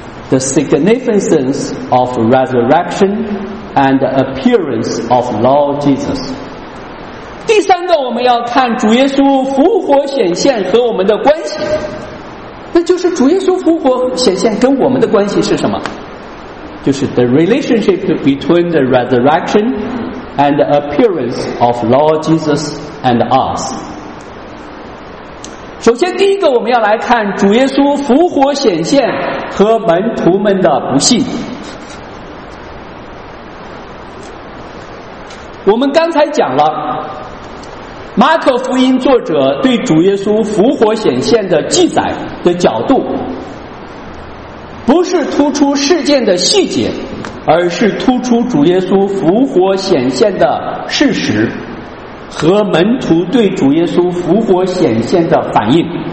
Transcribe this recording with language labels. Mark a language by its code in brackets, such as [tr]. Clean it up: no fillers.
[en] The significance of resurrection and appearance of Lord Jesus. [zh] 第三个，我们要看主耶稣复活显现和我们的关系，那就是主耶稣复活显现跟我们的关系是什么？就是 [en] the relationship between the resurrection and the appearance of Lord Jesus and us. [zh] 首先，第一个，我们要来看主耶稣复活显现和门徒们的不信。我们刚才讲了马可福音作者对主耶稣复活显现的记载的角度，不是突出事件的细节，而是突出主耶稣复活显现的事实和门徒对主耶稣复活显现的反应。